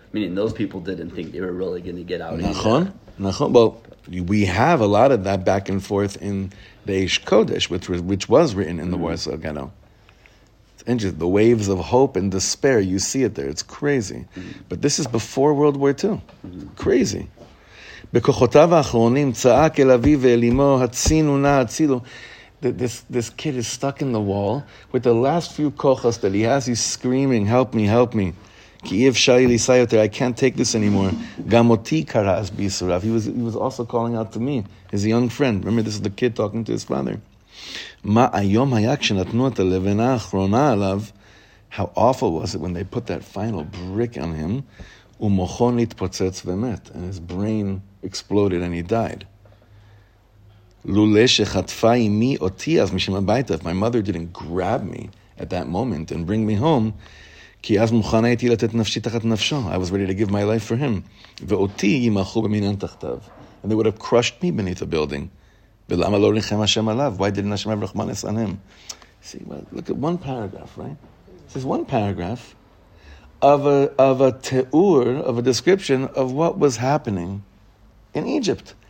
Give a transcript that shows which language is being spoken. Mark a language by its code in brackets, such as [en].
[en] Meaning those people didn't think they were really going to get out either. Nachon. Well, we have a lot of that back and forth in the Eish Kodesh, which was written in the Warsaw Ghetto. And just the waves of hope and despair, you see it there. It's crazy. Mm-hmm. But this is before World War II. Mm-hmm. Crazy. [he] בכוחותיו האחרונים צעק אל אבי ואלימו, הצינו נא הצילו. [en] This kid is stuck in the wall. With the last few kochos that he has, he's screaming, help me, help me. [he] כי אי אפשר לי לישא יותר, [en] I can't take this anymore. [he] גם אותי קרס ביסוריו. [en] He was also calling out to me, his young friend. Remember, this is the kid talking to his father. [he] מה היום היה כשנתנו את הלבנה האחרונה עליו? [en] How awful was it when they put that final brick on him? [he] ומוחו נתפוצץ ומת. [en] And his brain exploded and he died. [he] לולא שחטפה אמי אותי אז משם הביתה. [en] If my mother didn't grab me at that moment and bring me home, [he] כי אז מוכן הייתי לתת נפשי תחת נפשו. [en] I was ready to give my life for him. [he] ואותי ימחו במינן תחתיו. [en] And they would have crushed me beneath a building. [he] ולמה לא ריחם השם עליו? [en] Why didn't Hashem have רחמנס on him? See, well, look at one paragraph, right? This is one paragraph of a te'ur, of a description of what was happening in Egypt.